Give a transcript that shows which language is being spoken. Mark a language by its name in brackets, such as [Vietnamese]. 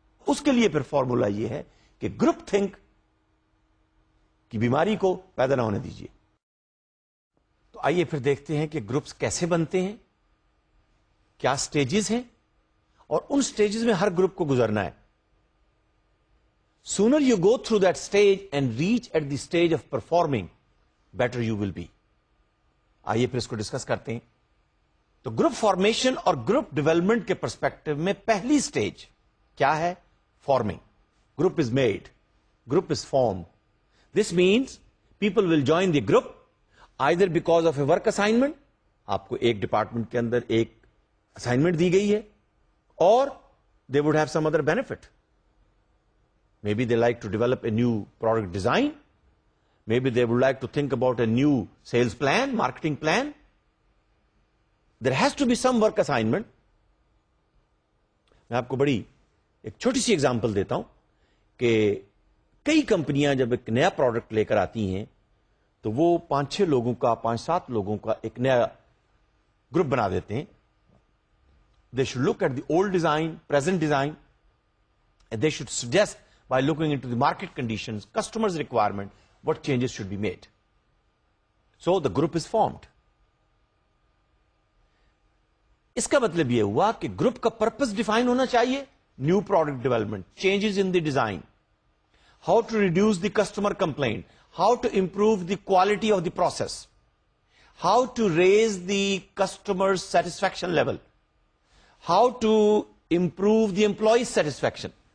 [Urdu] اس کے لیے پھر فارمولا یہ ہے کہ گروپ تھنک کی بیماری کو پیدا نہ ہونے دیجئے. تو آئیے پھر دیکھتے ہیں کہ گروپس کیسے بنتے ہیں، کیا سٹیجز ہیں، اور ان سٹیجز میں ہر گروپ کو گزرنا ہے. [English] Sooner you go through that stage and reach at the stage of performing better you will be. [Urdu] آئیے پھر اس کو ڈسکس کرتے ہیں. تو گروپ فارمیشن اور گروپ ڈیولپمنٹ کے پرسپیکٹو میں پہلی سٹیج کیا ہے؟ Farming. [English] Group is made, group is formed. This means people will join the group either because of a work assignment, [Urdu] آپ کو ایک ڈپارٹمنٹ کے اندر ایک اسائنمنٹ دی گئی ہے، [English] اور they would have some other benefit. Maybe they like to develop a new product design, maybe they would like to think about a new sales plan, marketing plan. There has to be some work assignment. [Urdu] میں آپ کو بڑی ایک چھوٹی سی example دیتا ہوں کہ کئی کمپنیاں جب ایک نیا پروڈکٹ لے کر آتی ہیں تو وہ پانچ چھ لوگوں کا، پانچ سات لوگوں کا ایک نیا گروپ بنا دیتے ہیں. [English] They should look at the old design, present design, and they should suggest by looking into the market conditions, customers' requirement, what changes should be made. So the group is formed. [Urdu] Iska matlab ye hua ki group ka purpose define hona chahiye. [English] New product development, changes in the design, how to reduce the customer complaint, how to improve the quality of the process, how to raise the customer's satisfaction level, how to improve the employee's satisfaction.